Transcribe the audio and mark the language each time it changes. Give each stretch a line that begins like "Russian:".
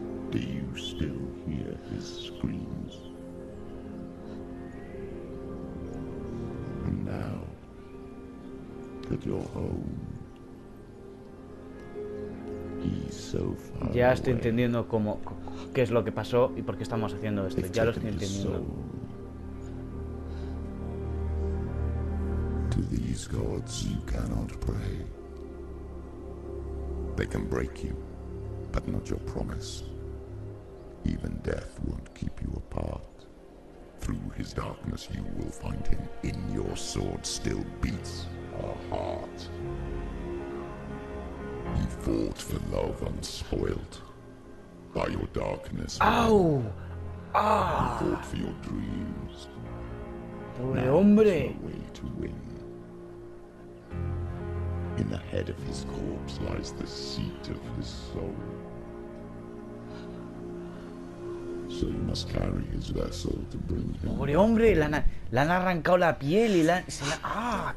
English: Do you still hear his screams? And now that you're home, he's so far
Spanish: ya estoy
English: away.
Spanish: Entendiendo cómo qué es lo que pasó y por qué estamos haciendo esto.
English: They've
Spanish: Ya lo estoy entendiendo.
English: These gods you cannot pray. They can break you, but not your promise. Even death won't keep you apart. Through his darkness, you will find him. In your sword still beats a heart. You fought for love unspoiled. By your darkness, ow! Ah! You fought for your dreams.
Spanish: Pobre hombre.
English: Now there's no way to win. In the head of his corpse lies the seat of his soul. So you must carry his vessel to bring him.
Spanish: Pobre hombre, le han arrancado la piel y ¡ah!